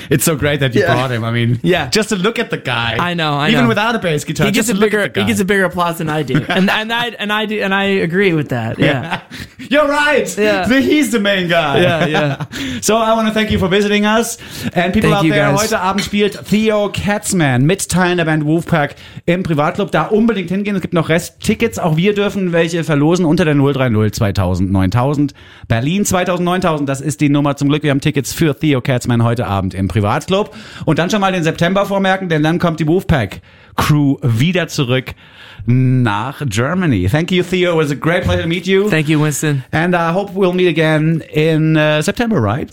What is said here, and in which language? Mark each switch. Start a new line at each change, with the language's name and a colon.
English: It's so great that you brought him. I mean, yeah, just to look at the guy. I know. Even without a bass guitar, he gets a bigger applause than I do, and I agree with that. Yeah, you're right. Yeah. He's the main guy. Yeah, yeah. So I want to thank you for visiting us, and people thank out there. Guys.
German: Heute Abend spielt Theo Katzmann mit Teilen der Band Wolfpack im Privatclub. Da unbedingt hingehen. Es gibt noch Resttickets. Auch wir dürfen welche verlosen unter der 030-2000-9000. Berlin 2000-9000. Das ist die Nummer. Zum Glück, wir haben Tickets für Theo Katzmann heute Abend im Privatclub. Und dann schon mal den September vormerken, denn dann kommt die Wolfpack-Crew wieder zurück nach Germany.
English: Thank you, Theo. It was a great pleasure to meet you. Thank you, Winston. And I hope we'll meet again in September, right?